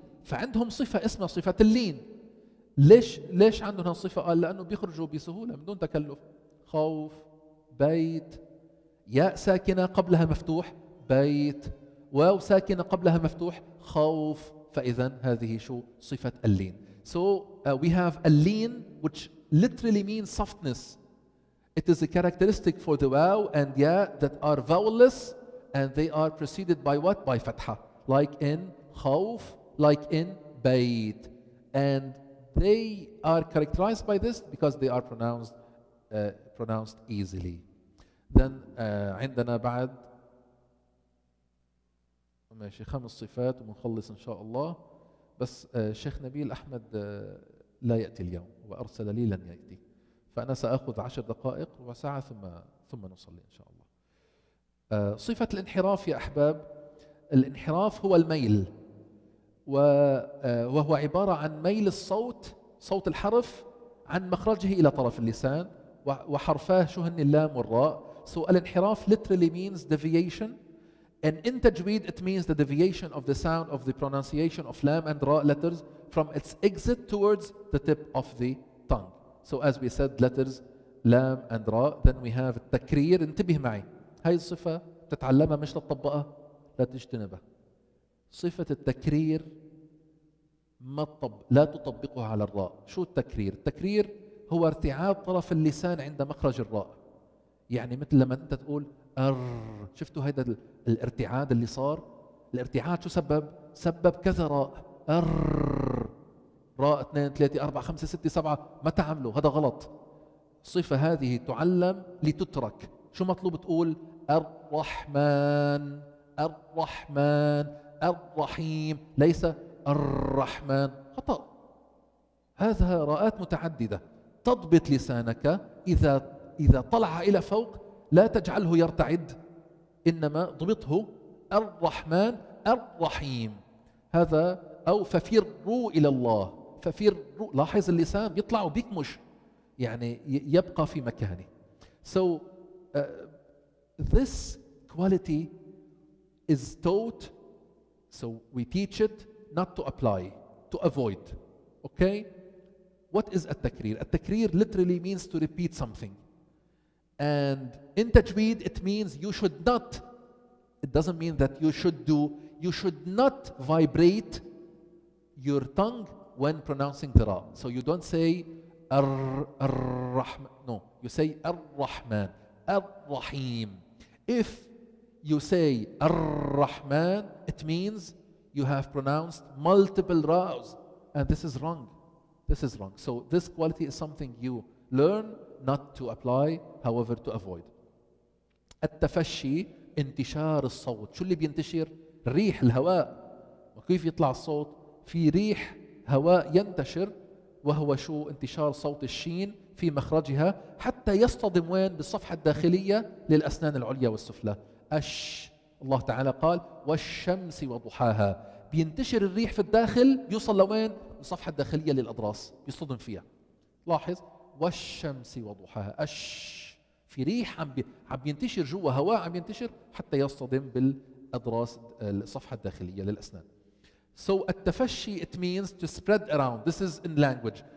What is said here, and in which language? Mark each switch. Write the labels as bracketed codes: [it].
[ar] فعندهم صفة اسمها صفة اللين. ليش عندهم هالصفة؟ قال لأنه بيخرجوا بسهولة من دون تكلف. خوف، بيت، ياء ساكنة قبلها مفتوح بيت، واو ساكنة قبلها مفتوح خوف. فإذا هذه شو؟ صفة اللين. [en] So we have a lean which literally means softness. It is a characteristic for the waw and ya that are vowelless and they are preceded by what? By فتحة. Like in خوف، like in باء، [ar] بيت. [en] And they are characterized by this because they are pronounced pronounced easily. [ar] Then عندنا بعد ماشي خمس صفات ونخلص إن شاء الله. بس شيخ نبيل أحمد لا يأتي اليوم وأرسل لي لن يأتي. فأنا سأخذ 10 دقائق وساعة ثم نصلي إن شاء الله. صفة الانحراف يا أحباب، الانحراف هو الميل، وهو عبارة عن ميل الصوت، صوت الحرف عن مخرجه إلى طرف اللسان، وحرفاه شو هن اللام والراء. [en] So الانحراف literally means deviation. And in tajweed, it means the deviation of the sound of the pronunciation of lam and ra letters from its exit towards the tip of the tongue. So as we said, letters lam and ra. Then we have التكرير. [ar] انتبه معي. هاي الصفة تتعلمها مش تطبقها، لا تجتنبها. صفة التكرير لا تطبقها على الراء. شو التكرير؟ التكرير هو ارتعاد طرف اللسان عند مخرج الراء. يعني مثل لما أنت تقول أر، شفتوا هذا الارتعاد اللي صار؟ الارتعاد شو سبب؟ سبب كذا راء. أر، راء 2 3 4 5 6 7، ما تعملوا هذا غلط. الصفة هذه تعلم لتترك. شو مطلوب تقول؟ الرحمن، الرحمن، الرحيم، ليس الرحمن. خطأ. هذا راءات متعددة. تضبط لسانك إذا طلع إلى فوق، لا تجعله يرتعد، إنما ضبطه الرحمن الرحيم. هذا أو ففروا إلى الله، ففروا. لاحظ اللسان يطلع وبيكمش، يعني يبقى في مكانه. [en] So this quality is taught. So we teach it not to apply, to avoid. Okay? What is التكرير؟ التكرير literally means to repeat something. And in تجويد, it means you should not. It doesn't mean that you should do. You should not vibrate your tongue when pronouncing the ra. So you don't say الرحمن. No, you say الرحمن. [ar] الرحيم. [en] If you say الرحمن, it means you have pronounced multiple ra's. And this is wrong. This is wrong. So this quality is something you learn not to apply, however to avoid. [ar] التفشي، انتشار الصوت. شو اللي بينتشر؟ ريح الهواء. وكيف يطلع الصوت؟ في ريح هواء ينتشر، وهو شو؟ انتشار صوت الشين في مخرجها حتى يصطدم وين؟ بالصفحة الداخلية للأسنان العليا والسفلى. أش، الله تعالى قال والشمس وضحاها. بينتشر الريح في الداخل، يوصل لوين؟ بالصفحة الداخلية للأضراس، يصطدم فيها. لاحظ والشمس وضحاها. أش، في ريح عم ينتشر جوا، هواء عم ينتشر حتى يصطدم بالأضراس، الصفحة الداخلية للأسنان. [en] So التفشي it means to spread around. This is in language.